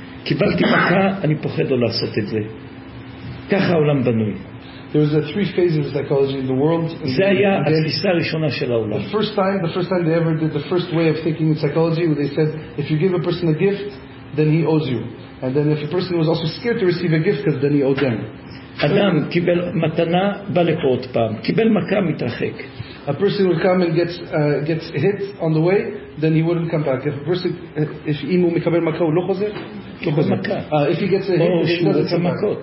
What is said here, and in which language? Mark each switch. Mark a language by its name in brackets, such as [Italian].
[Hebrew] קיבלתי מכה, אני פוחד לא לעשות את זה. ככה העולם בנוי. [English] There was a three phases of psychology in the world. [Hebrew] זה היה התפיסה הראשונה של העולם. [English] The first time they ever did the first way of thinking in psychology, where they said, if you give a person a gift, then he owes you. And then if a person was also scared to receive a gift, then he owed them. [Hebrew] אדם קיבל מתנה, בא לפה עוד פעם. קיבל מכה, מתרחק. [English] A person would come and gets hit on the way, then he wouldn't come back. If [Hebrew] אם הוא מקבל מכה, הוא לא חוזר? [English] If he gets a hit, he doesn't come back.